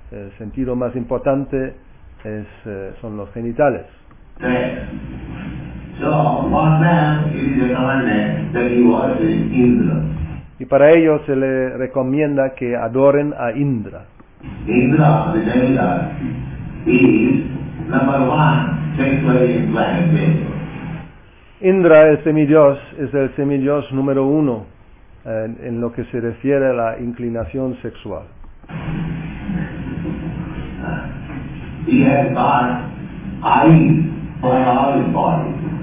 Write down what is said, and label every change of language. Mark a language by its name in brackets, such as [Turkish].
[Spanish] El sentido más importante es, son los genitales. [English] So, for them, it is recommended that you worship Indra. [Spanish] Y para ellos se le recomienda que adoren a Indra. [English] Indra, the demigod, is number one sexually inclined being. [Spanish] Indra, el semidios, es el semidios número uno en lo que se refiere a la inclinación sexual. [English] He has got eyes on all the body.